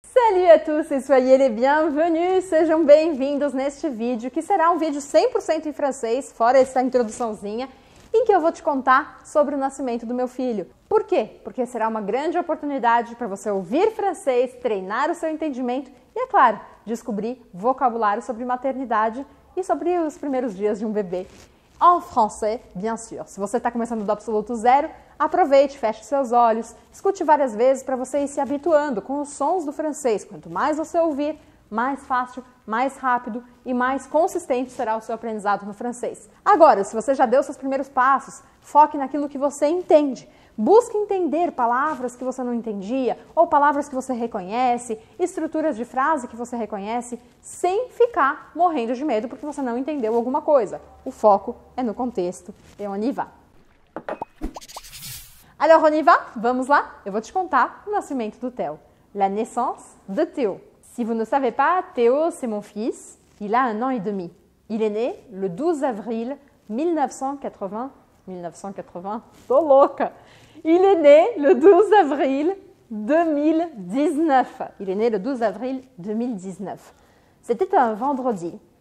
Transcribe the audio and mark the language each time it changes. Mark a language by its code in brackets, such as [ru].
[fr] Salut à tous et soyez les bienvenus! [pt] Sejam bem-vindos neste vídeo, que será um vídeo 100% em francês, fora essa introduçãozinha, em que eu vou te contar sobre o nascimento do meu filho. Por quê? Porque será uma grande oportunidade para você ouvir francês, treinar o seu entendimento e, é claro, descobrir vocabulário sobre maternidade e sobre os primeiros dias de um bebê. [fr] En français, bien sûr. [pt] Se você está começando do absoluto zero, aproveite, feche seus olhos, escute várias vezes para você ir se habituando com os sons do francês. Quanto mais você ouvir, mais fácil, mais rápido e mais consistente será o seu aprendizado no francês. Agora, se você já deu seus primeiros passos, foque naquilo que você entende. Busque entender palavras que você não entendia ou palavras que você reconhece, estruturas de frase que você reconhece, sem ficar morrendo de medo porque você não entendeu alguma coisa. O foco é no contexto. [fr] Et on y va. Alors, on y va? [pt] Vamos lá? Eu vou te contar o nascimento do Théo. [fr] La naissance de Théo. Si vous ne savez pas, Théo, c'est mon fils. Il a 1 an et demi. Il est né le 12 avril 1980. 1980, [pt] tô louca! [fr] Il est né le 12 avril 2019. Il est né le 12 avril 2019. C'était un vendredi.